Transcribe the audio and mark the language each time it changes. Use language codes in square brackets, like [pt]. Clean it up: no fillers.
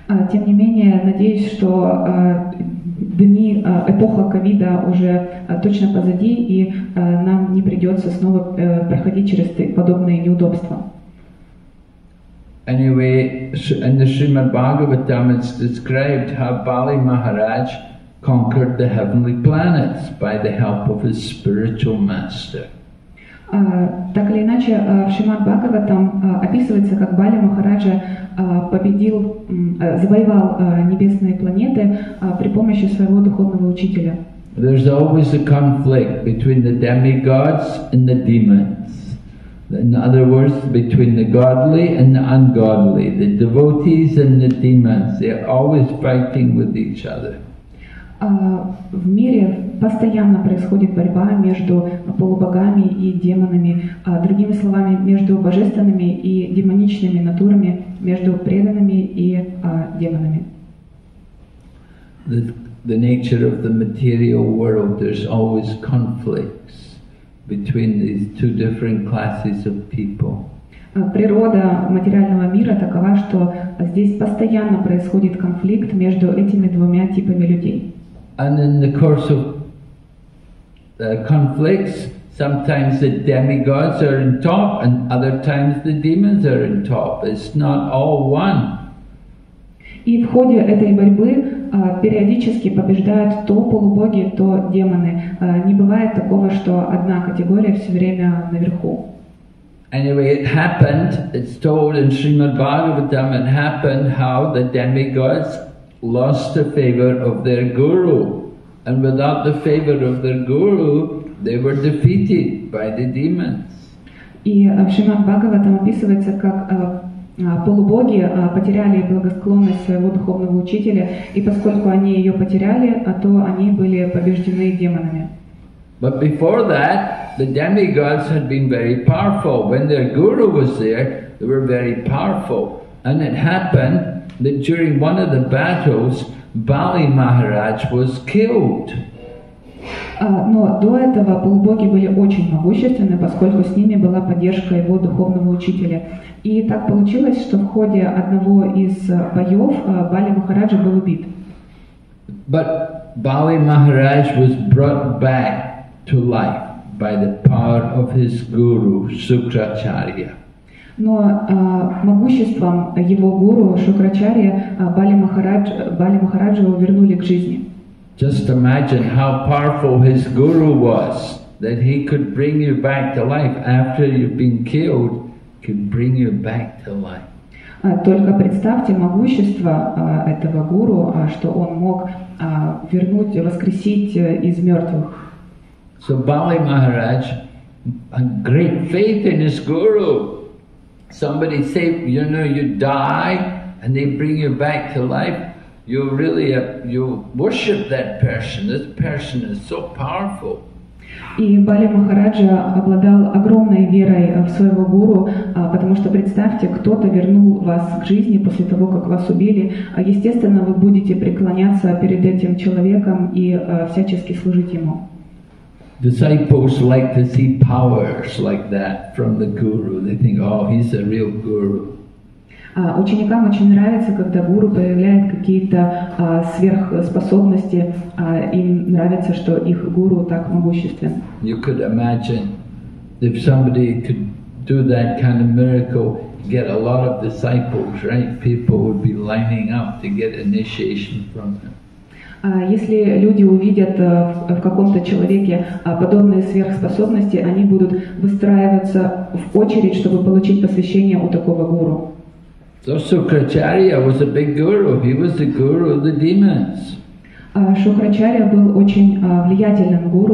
[ru] Тем не менее, надеюсь, что дни, эпоха ковида уже точно позади, и нам не придется снова проходить через подобные неудобства. [en] Anyway, in the Srimad Bhagavatam, it's described how Bali Maharaj conquered the heavenly planets by the help of his spiritual master. [ru] Так или иначе, в Шримад Бхагаватам описывается, как Бали Махараджа победил, завоевал небесные планеты при помощи своего духовного учителя. [en] There's always a conflict between the demigods and the demons. In other words, between the godly and the ungodly, the devotees and the demons. They're always fighting with each other. [ru] В мире постоянно происходит борьба между полубогами и демонами, другими словами, между божественными и демоничными натурами, между преданными и демонами. [en] The nature of the material world, there's always conflicts between these two different classes of people. [ru] Природа материального мира такова, что здесь постоянно происходит конфликт между этими двумя типами людей. [en] And in the course of the conflicts, sometimes the demigods are on top and other times the demons are on top. It's not all one. [ru] И в ходе этой борьбы периодически побеждают то полубоги, то демоны. Не бывает такого, что одна категория все время наверху. [en] Anyway, it happened, it's told in Srimad Bhagavatam, it happened how the demigods lost the favor of their guru, and without the favor of their guru, they were defeated by the demons. [ru] И в Шримад Бхагаватам описывается, как полубоги потеряли благосклонность своего духовного учителя, и поскольку они ее потеряли, то они были побеждены демонами. [en] But before that, the demigods had been very powerful. When their guru was there, they were very powerful, and it happened that during one of the battles, Bali Maharaj was killed. [ru] Но до этого полубоги были очень могущественны, поскольку с ними была поддержка его духовного учителя. И так получилось, что в ходе одного из боев Бали Махараджа был убит. [en] But Bali Maharaj was brought back to life by the power of his guru, Sukracharya. [ru] Но могуществом его гуру Шукрачарья Бали Махараджу вернули к жизни. [en] Just imagine how powerful his guru was, that he could bring you back to life after you've been killed, could bring you back to life. [ru] Только представьте могущество этого гуру, что он мог вернуть, воскресить из мертвых. [en] So Bali Maharaj had great faith in his guru. Somebody say, you know, you die and they bring you back to life, you worship that person. This person is so powerful. [ru] И Бали Махараджа обладал огромной верой в своего гуру, потому что представьте, кто-то вернул вас к жизни после того, как вас убили. Естественно, вы будете преклоняться перед этим человеком и всячески служить ему. [en] Disciples like to see powers like that from the guru. They think, oh, he's a real guru. [ru] Ученикам очень нравится, когда гуру проявляет какие-то сверхспособности. Им нравится, что их гуру так могуществен. [en] You could imagine if somebody could do that kind of miracle, get a lot of disciples, right? People would be lining up to get initiation from him. [ru] Если люди увидят в каком-то человеке подобные сверхспособности, они будут выстраиваться в очередь, чтобы получить посвящение у такого гуру. [en] Шукрачарья was a big guru. He was the guru of the demons. [ru] Шукрачарья был очень влиятельным гуру.